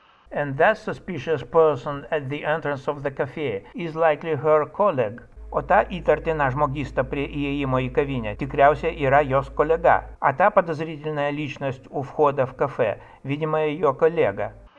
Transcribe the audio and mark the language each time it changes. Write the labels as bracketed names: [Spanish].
[English] And that suspicious person at the entrance of the cafe is likely her colleague. [Lithuanian] O ta įtartina žmogista prie įėjimo į kavinę tikriausiai yra jos kolega. [Russian] A ta podozrительная личность у входа в кафе, видимо, ее коллега.